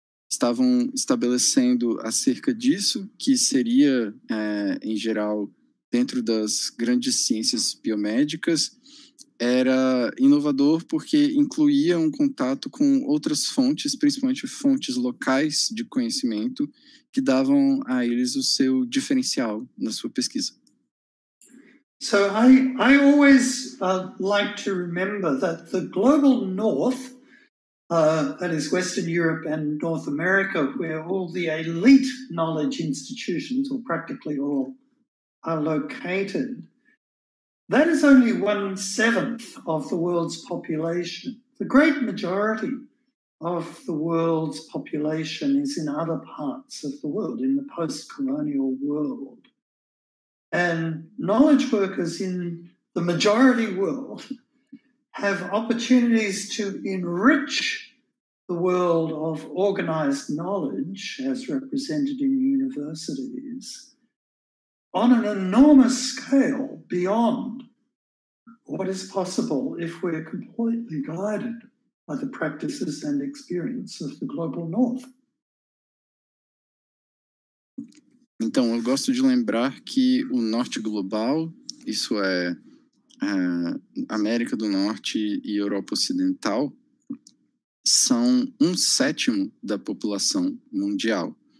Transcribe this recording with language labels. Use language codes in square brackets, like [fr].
[pt] estavam estabelecendo acerca disso, que seria, em geral, dentro das grandes ciências biomédicas, era inovador porque incluía um contato com outras fontes, principalmente fontes locais de conhecimento, que davam a eles o seu diferencial na sua pesquisa. [en] So I always like to remember that the global north, that is Western Europe and North America, where all the elite knowledge institutions, or practically all, are located, that is only 1/7 of the world's population. The great majority of the world's population is in other parts of the world, in the post-colonial world. And knowledge workers in the majority world have opportunities to enrich the world of organized knowledge as represented in universities on an enormous scale beyond what is possible if we're completely guided by the practices and experience of the global north. [pt] Então, eu gosto de lembrar que o norte global, isso é América do Norte e Europa Ocidental, são 1/7 da população mundial.